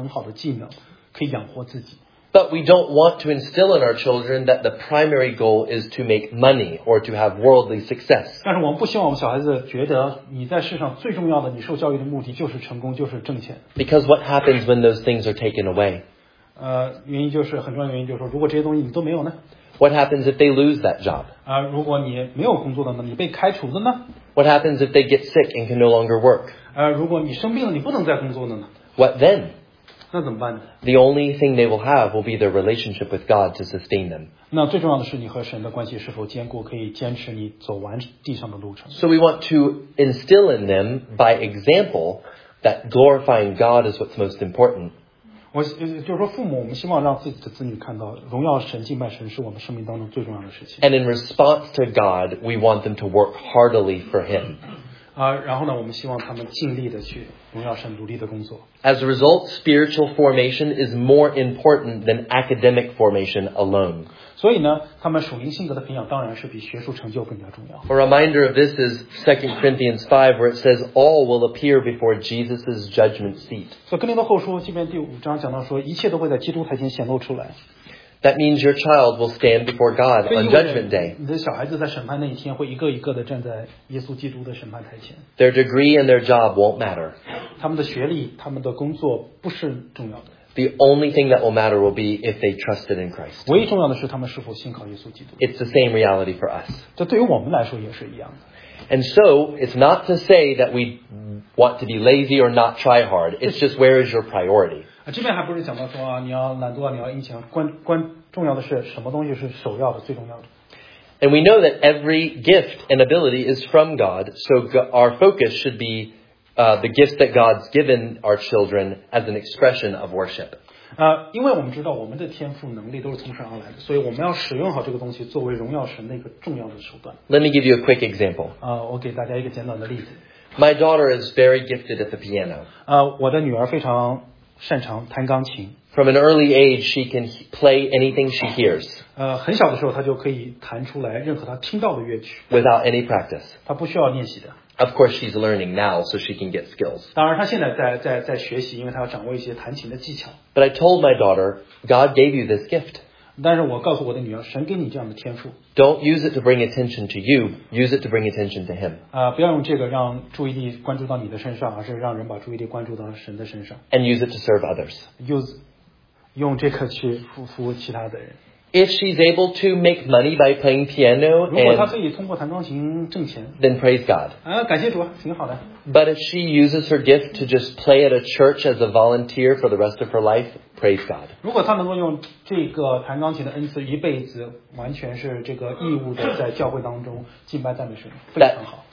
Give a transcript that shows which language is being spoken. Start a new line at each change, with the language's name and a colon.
Chinese: 那么通常呢，你如果小孩子真的是运用好神给你的恩赐和天赋的时候，你用来荣耀神，你通常也会找到一份很好的工作，你也会培养出很好的技能，可以养活自己。
English: But we don't want to instill in our children that the primary goal is to make money or to have worldly success.
Chinese: 但是我们不希望我们小孩子觉得你在世上最重要的，你受教育的目的就是成功，就是挣钱。
English: Because what happens when those things are taken away?
Chinese: 原因就是很重要的原因就是说，如果这些东西你都没有呢？
English: What happens if they lose that job?
Chinese: 如果你没有工作了呢？你被开除了呢？
English: What happens if they get sick and can no longer work?
Chinese: 如果你生病了，你不能再工作了呢？
English: What then?
Chinese: 那怎么办呢?
English: The only thing they will have will be their relationship with God to sustain them.
Chinese: 那最重要的是你和神的关系是否坚固，可以坚持你走完地上的路程。
English: So we want to instill in them by example that glorifying God is what's most important.
Chinese: 我就是说父母我们希望让自己的子女看到荣耀神敬拜神是我们生命当中最重要的事情。
English: And in response to God, we want them to work heartily for him.
Chinese: 然后呢我们希望他们尽力的去荣耀神努力的工作。
English: As a result, spiritual formation is more important than academic formation alone.
Chinese: 所以呢他们属灵性格的培养当然是比学术成就更加重要。
English: A reminder of this is 2 Corinthians 5 where it says all will appear before Jesus' judgment seat.
Chinese: 所以哥林多后书这边第五章讲到说一切都会在基督台前显露出来。
English: That means your child will stand before God on judgment day.
Chinese: 你的小孩子在审判那一天会一个一个的站在耶稣基督的审判台前。
English: Their degree and their job won't matter.
Chinese: 他们的学历他们的工作不是重要的。
English: The only thing that will matter will be if they trusted in Christ.
Chinese: 唯一重要的是他们是否信靠耶稣基督。
English: It's the same reality for us.
Chinese: 这对于我们来说也是一样的。
English: And so, it's not to say that we want to be lazy or not try hard. It's just where is your priority?
Chinese: 这边还不是讲到说啊，你要懒惰，你要殷勤，关重要的是什么东西是首要的，最重要的。
English: And we know that every gift and ability is from God, so our focus should be the gifts that God's given our children as an expression of worship.
Chinese: 因为我们知道我们的天赋能力都是从神而来的，所以我们要使用好这个东西作为荣耀神的一个重要的手段。
English: Let me give you a quick example.
Chinese: 我给大家一个简短的例子。
English: My daughter is very gifted at the piano.
Chinese: 我的女儿非常。擅长弹钢琴。
English: From an early age, she can play anything she hears.
Chinese: 很小的时候，她就可以弹出来任何她听到的乐曲。
English: Without any practice.
Chinese: 她不需要练习的。
English: Of course, she's learning now, so she can get skills.
Chinese: 当然，她现在在学习，因为她要掌握一些弹琴的技巧。
English: But I told my daughter, God gave you this gift.
Chinese: 但是我告诉我的女儿，神给你这样的天赋。
English: Don't use it to bring attention to you. Use it to bring attention to Him.
Chinese: 不要用这个让注意力关注到你的身上，而是让人把注意力关注到神的身上。
English: And use it to serve others.
Chinese: 用这个去服务其他的人。
English: If she's able to make money by playing piano, and,
Chinese: 如果她可以通过弹钢琴挣钱
English: ，then praise God.
Chinese: 感谢主，挺好的。
English: But if she uses her gift to just play at a church as a volunteer for the rest of her life, praise God.
Chinese: 如果她能够用这个弹钢琴的恩赐一辈子，完全是这个义务的在教会当中敬拜赞美神，非常好。